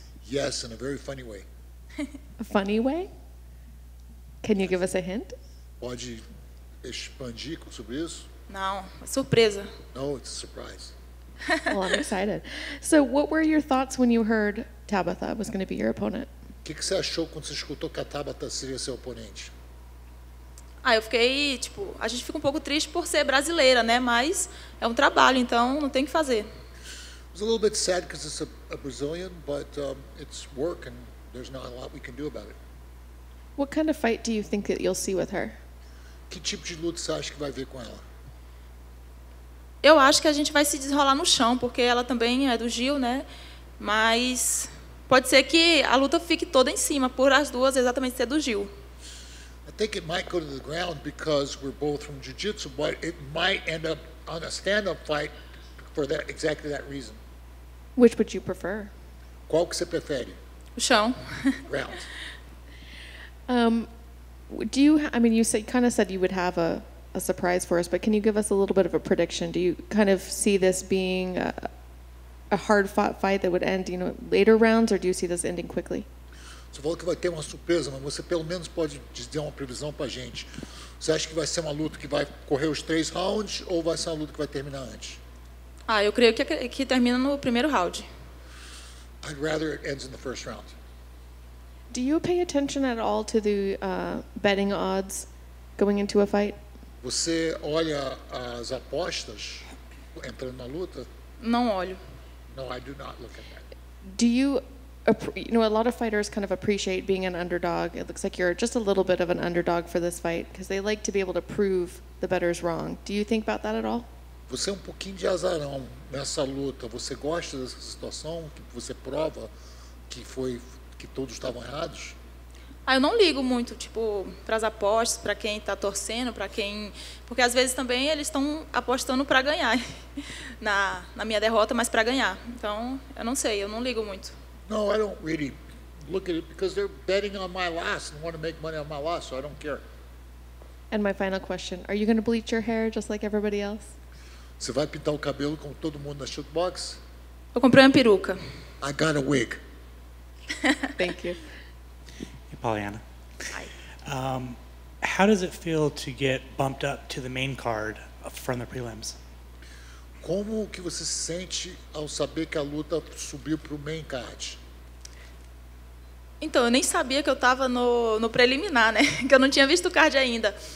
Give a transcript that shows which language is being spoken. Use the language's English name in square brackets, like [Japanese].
[English] Yes, in a very funny way. A funny way? Can you give us a hint? [Portuguese] Pode expandir sobre isso? Não, surpresa. [English] No, it's a surprise. Well, I'm excited. So what were your thoughts when you heard Tabatha was going to be your opponent? [Portuguese] O que você achou quando você escutou que a Tabatha seria seu oponente? Ah, eu fiquei, tipo, a gente fica um pouco triste por ser brasileira, né? Mas é um trabalho, então não tem o que fazer. [English] It was a little bit sad because it's a Brazilian, but it's work and there's not a lot we can do about it. What kind of fight do you think that you'll see with her? [Portuguese] Que tipo de luta você acha que vai ver com ela? Eu acho que a gente vai se desrolar no chão, porque ela também é do Gil, né? Mas pode ser que a luta fique toda em cima, por as duas exatamente ser do Gil. [English] I think it might go to the ground because we're both from jiu-jitsu, but it might end up on a stand-up fight for that, exactly that reason. Which would you prefer? [Portuguese] Qual que você prefere? O chão. [English] Ground. Do you, I mean, you kind of said you would have a surprise for us, but can you give us a little bit of a prediction? Do you kind of see this being a hard-fought fight that would end, you know, later rounds, or do you see this ending quickly? [Portuguese] Você falou que vai ter uma surpresa, mas você pelo menos pode dizer uma previsão para a gente. Você acha que vai ser uma luta que vai correr os três rounds ou vai ser uma luta que vai terminar antes? Ah, eu creio que termina no primeiro round. [English] I'd rather it ends in the first round. Do you pay attention at all to the betting odds going into a fight? [Portuguese] Você olha as apostas entrando na luta? Não olho. [English] No, I do not look at that. Do you, you know, a lot of fighters kind of appreciate being an underdog. It looks like you're just a little bit of an underdog for this fight because they like to be able to prove the better's wrong. Do you think about that at all? [Portuguese] Você é um pouquinho de azarão nessa luta. Você gosta dessa situação que você prova que foi que todos estavam errados? Ah, eu não ligo muito, tipo, para as apostas, para quem está torcendo, para quem, porque às vezes também eles estão apostando para ganhar na minha derrota, mas para ganhar. Então, eu não sei, eu não ligo muito. [English] No, I don't really look at it because they're betting on my loss and want to make money on my loss, so I don't care. And my final question, are you going to bleach your hair just like everybody else? [Portuguese] Você vai pintar o cabelo como todo mundo na shootbox? Eu comprei uma peruca. [English] I got a wig. Thank you. Polyana. Hi. How does it feel to get bumped up to the main card from the prelims? [Portuguese] Como que você se sente ao saber que a luta subiu pro main card? Então, eu nem sabia que eu tava no preliminar, né? Que eu não tinha visto o card ainda.